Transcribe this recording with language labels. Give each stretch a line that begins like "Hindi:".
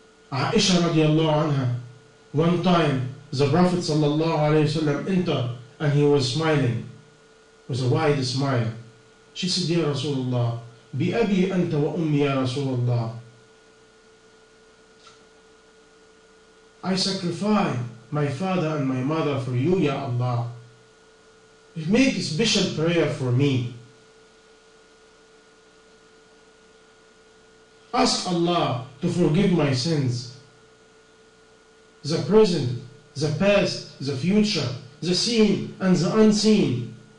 English: Aisha radiallahu anha, one time the Prophet sallallahu alayhi wa sallam entered and he was smiling with a wide smile. She said, "Dear Rasulullah,
Arabic: بأبي أنت وأمي يا رسول الله.
English: I sacrifice my father and my mother for you, Ya Allah. Make a special prayer for me. Ask Allah to forgive my sins. The present, the past, the future, the seen and the unseen.